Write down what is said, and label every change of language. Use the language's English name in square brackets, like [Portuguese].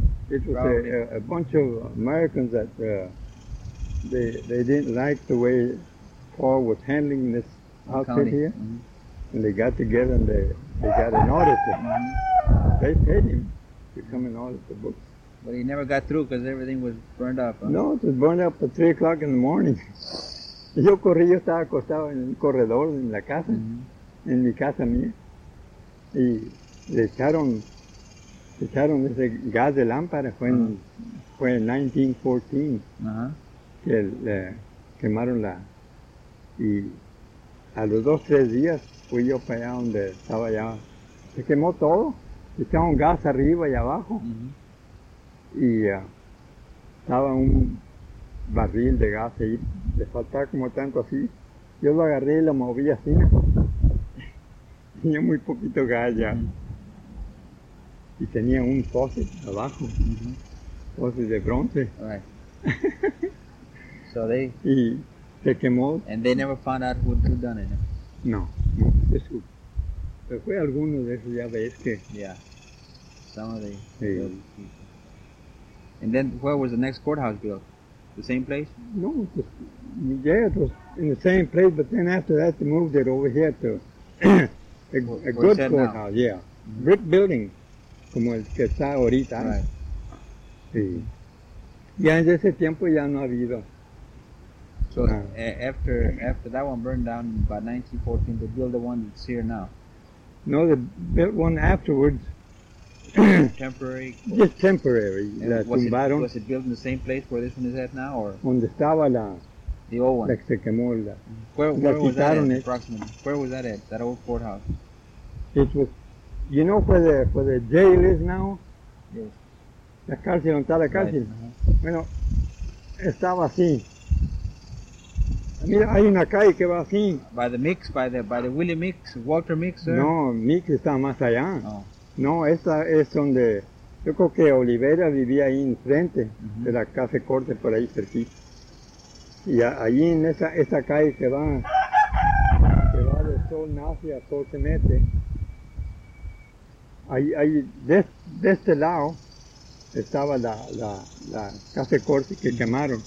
[English] It was a bunch of Americans that they didn't like the way Paul was handling this outfit here. Mm-hmm. And they got together and they got an auditor. Mm-hmm. They paid him to come and audit the books. But he never got through because everything was burned up. Huh? No, it was burned up at 3 o'clock in the morning. [Spanish] Yo corrí, yo estaba acostado en el corredor en la casa, en mi casa mía. Y le echaron. Echaron ese gas de lámpara, fue en 1914, que quemaron la... Y a los dos, tres días fui yo para allá donde estaba ya... Se quemó todo, echaron gas arriba y abajo. Uh-huh. Y estaba un barril de gas ahí, le faltaba como tanto así. Yo lo agarré y lo moví así. Tenía muy poquito galla. Y tenía un poste abajo. Poste de bronce. [English] Right. So they... [Spanish] Y se quemó. [English] And they never found out who done it. [Spanish] No. Eso. Pero fue alguno de esos, ya ves que... [English] Yeah. Some of the... [Spanish] Sí. [English] And then, where was the next courthouse built? The same place? No, it was in the same place, but then after that, they moved it over here to a good courthouse, yeah. [Spanish] Mm-hmm. [English] Brick building, [Spanish] como el que está ahorita. [English] Right. [Spanish] Sí. Ya en ese tiempo ya no ha habido. [English] So, after that one burned down by 1914, they built the one that's here now? No, they built one afterwards. Temporary? Just temporary. [Spanish] La tumbaron. [English] Was it built in the same place where this one is at now? Or? [Spanish] Donde estaba la... [English] The old one. [Spanish] La que se quemó la... [English] Where was that at, approximately? Where was that at, that old courthouse? It was... You know where the jail is now? Yes. [Spanish] La cárcel, donde está la cárcel. [English] Right. Uh-huh. [Spanish] Bueno, estaba así. Mira, hay una calle que va así. [English] By the Mix, by the Willie Mix, Walter Mix, sir? [Spanish] No, Mix está más allá. [English] Oh. [Spanish] No, esta es donde, yo creo que Olivera vivía ahí enfrente, uh-huh, de la Casa Corte, por ahí cerquita. Y allí en esa calle que va de Sol Nace a Sol Se Mete, ahí de este lado estaba la Casa Corte que quemaron.